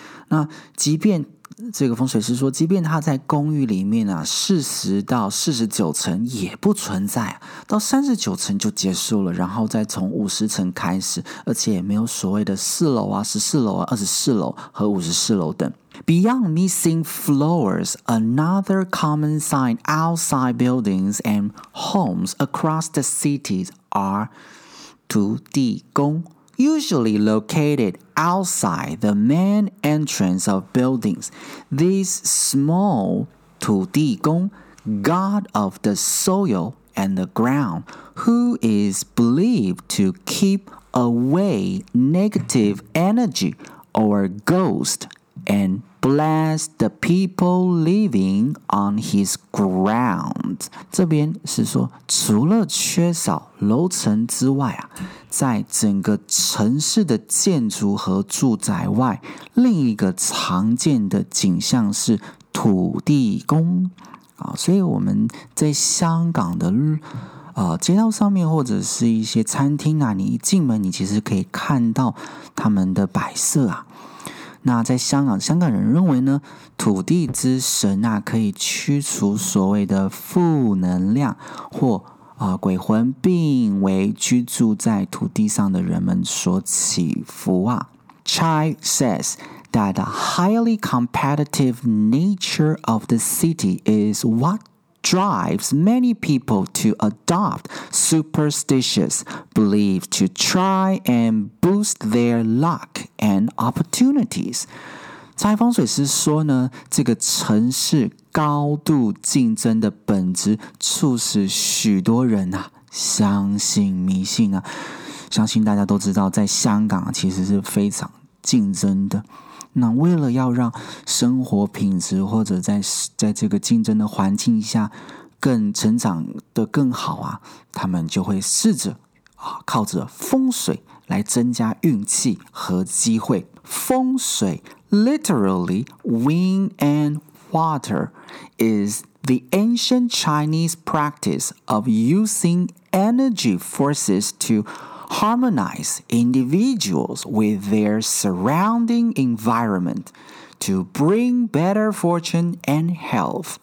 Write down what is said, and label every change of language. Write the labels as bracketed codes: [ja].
[zh] 那即便这个风水师说，即便他在公寓里面40到49层也不存在，到39层就结束了，然后再从50层开始，而且也没有所谓的4楼啊、14楼啊、24楼和54楼等。 [en] Beyond missing floors, another common sign outside buildings and homes across the cities are 土地公。 Usually located outside the main entrance of buildings, this small 土地公, god of the soil and the ground, who is believed to keep away negative energy or ghost and bless the people living on his ground. [zh] 这边是说，除了缺少楼层之外啊，在整个城市的建筑和住宅外，另一个常见的景象是土地公。所以我们在香港的街道上面或者是一些餐厅啊，你一进门你其实可以看到他们的摆设啊。那在香港，香港人认为呢，土地之神啊可以驱除所谓的负能量或鬼魂，并为居住在土地上的人们所祈福啊。 [en] Chai says that the highly competitive nature of the city is what drives many people to adopt superstitious beliefs to try and boost their luck and opportunities. [zh] 蔡风水师说呢，这个城市高度竞争的本质促使许多人相信迷信啊。相信大家都知道，在香港其实是非常竞争的。那为了要让生活品质或者在这个竞争的环境下更成长得更好啊，他们就会试着靠着风水来增加运气和机会。 [en] 风水 literally wind and water is the ancient Chinese practice of using energy forces toharmonize individuals with their surrounding environment to bring better fortune and health.